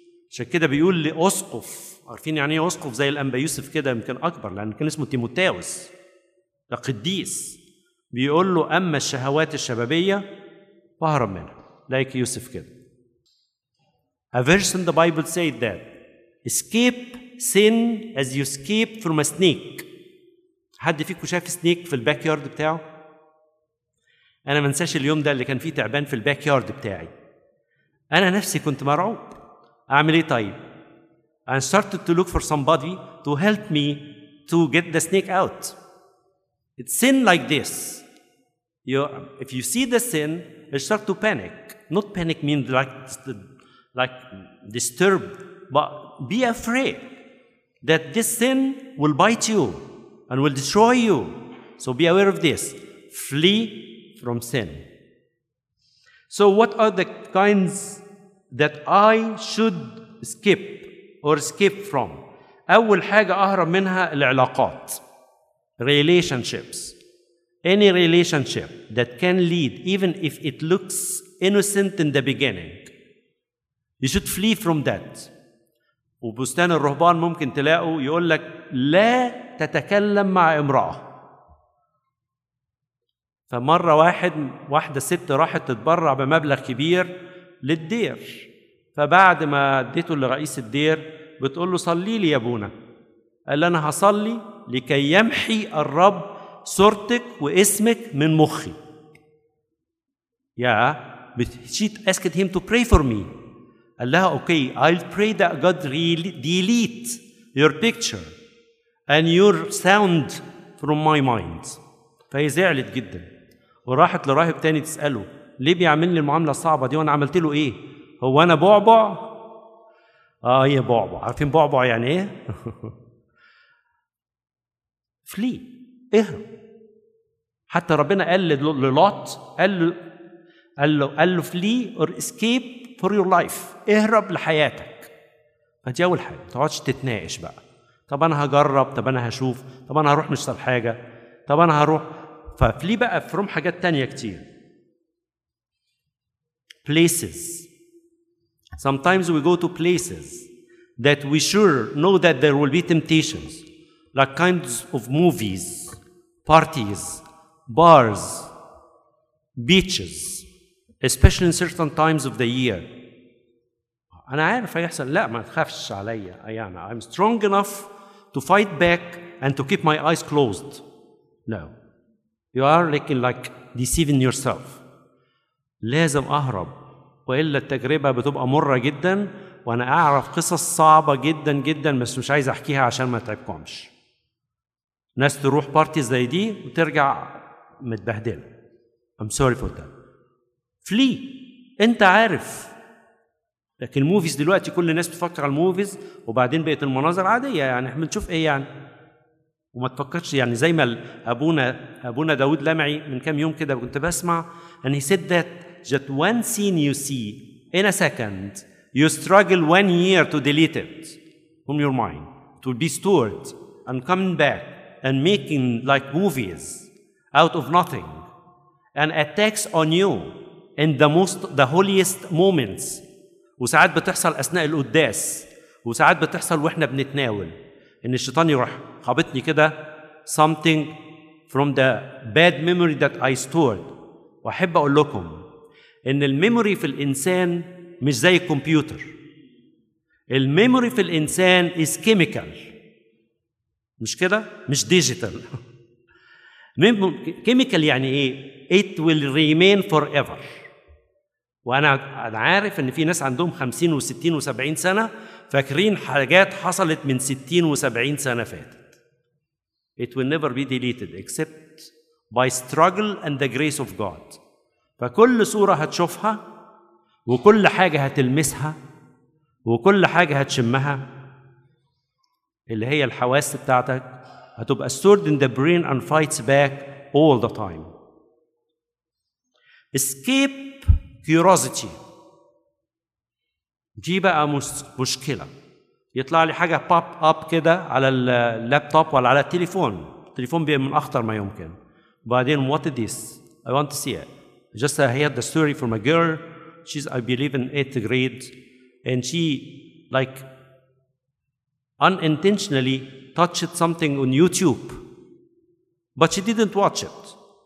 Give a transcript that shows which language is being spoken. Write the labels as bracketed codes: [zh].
[ar] عشان كده بيقول لأسقف، عارفين يعني أسقف زي الأنبا يوسف كده، يمكن أكبر لأن كان اسمه تيموتاوس القديس، بيقول له أما الشهوات الشبابية فهرب منها، like يوسف كده. [en] A verse in the Bible said that escape sin as you escape from a snake. [ar] حد فيكم شاف سنيك في الباك يارد بتاعه؟ أنا منساش اليوم ده اللي كان فيه تعبان في الباك يارد بتاعي، أنا نفسي كنت مرعوب. أعمل إيه طيب؟ [en] I started to look for somebody to help me to get the snake out. It's sin like this. If you see the sin, you start to panic. Not panic means like disturbed, but be afraid that this sin will bite you and will destroy you. So be aware of this. Flee from sin. So what are the kinds that I should skip or escape from? [ar] أول حاجة أهرب منها العلاقات. [en] Relationships. Any relationship that can lead, even if it looks innocent in the beginning, you should flee from that. [ar] وبستان الرهبان ممكن تلاقوا يقول لك لا تتكلم مع امرأة. فمرة واحدة ست راحت تتبرع بمبلغ كبير للدير، فبعد ما اديته لرئيس الدير بتقول له صلي لي يا ابونا، قال انا هصلي لكي يمحي الرب صورتك واسمك من مخي. [en] يا she asked him to pray for me. [ar] قال لها اوكي [en] I'll pray that God delete your picture and your sound from my mind. [ar] فهي زعلت جدا وراحت لراهب تاني تسأله ليه بيعملني المعاملة الصعبة دي وانا عملت له ايه؟ هو انا بعبع؟ هي بعبع. عارفين بعبع يعني ايه؟ فلي اهرب. حتى ربنا قال للوط، قال له [en] flee or escape for your life, [ar] اهرب لحياتك. فدي اول حاجه، ما تقعدش تتناقش بقى، طب انا هجرب، طب انا هشوف، طب انا هروح نشتغل حاجه، طب انا هروح. ففلي بقى فروم حاجات تانية كتير. [en] Places. Sometimes we go to places that we sure know that there will be temptations, like kinds of movies, parties, bars, beaches, especially in certain times of the year. [ar] أنا عارف هيحصل، لا ما تخافش عليا أيانا، [en] I'm strong enough to fight back and to keep my eyes closed. No. You are looking like deceiving yourself. [ar] لازم أهرب، وإلا التجربة بتبقى مرة جدا، وأنا أعرف قصص صعبة جدا جدا بس مش عايز أحكيها عشان ما تعبكمش. ناس تروح بارتي زي دي وترجع متبهدلة. [en] I'm sorry for that. [ar] فلي، أنت عارف. لكن الموفيز دلوقتي كل الناس بتفكر على الموفيز، وبعدين بقت المناظر عادية يعني احنا بنشوف إيه يعني، وما تفكرش يعني زي ما أبونا داود لمعي من كام يوم كده كنت بسمع أن [en] he said that just one scene you see in a second you struggle one year to delete it from your mind to be stored and coming back and making like movies out of nothing and attacks on you in the holiest moments. [ar] وساعات بتحصل أثناء القداس، وساعات بتحصل وإحنا بنتناول، إن الشيطان يروح خبطني كده [en] something from the bad memory that I stored. [ar] وأحب أقول لكم إن الميموري في الإنسان مش زي الكمبيوتر، الميموري في الإنسان [en] is chemical، [ar] مش كده؟ مش digital. [en] chemical [ar] يعني إيه؟ [en] it will remain forever. [ar] وأنا عارف إن في ناس عندهم 50 و60 و70 سنة فاكرين حاجات حصلت من 60 و70 سنة فاتت. [en] It will never be deleted except by struggle and the grace of God. [ar] فكل صورة هتشوفها وكل حاجة هتلمسها وكل حاجة هتشمها اللي هي الحواس بتاعتك هتبقى [en] stored in the brain and fights back all the time. Escape curiosity. [ar] دي بقى مشكلة. يطلع لي حاجة pop up كده على اللابتوب ولا على التليفون. التليفون بيبقى من أخطر ما يمكن. بعدين [en] what is this? I want to see it. Just I heard the story from a girl. She's I believe in 8th grade, and she like unintentionally touched something on YouTube, but she didn't watch it.